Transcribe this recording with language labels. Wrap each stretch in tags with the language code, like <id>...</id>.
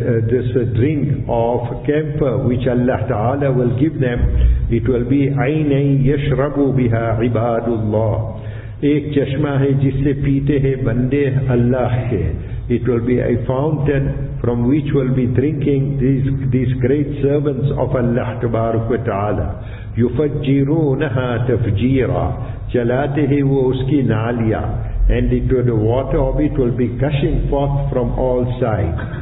<en>This drink of camphor which Allah Ta'ala will give them, it will be</en> <ar>عَيْنَي يَشْرَبُ بِهَا عِبَادُ اللَّهِ.</ar> <ur>ایک چشمہ ہے جس سے پیتے ہیں بندے اللہ کے.</ur> <en>It will be a fountain from which will be drinking these great servants of Allah</en> <ar>تبارک و تعالی. يُفَجِّرُونَهَا تَفْجِيرًا.</ar> <ur>چلاتے ہیں وہ اس کی نالیا.</ur> <en>And the water of it will be gushing forth from all sides.</en>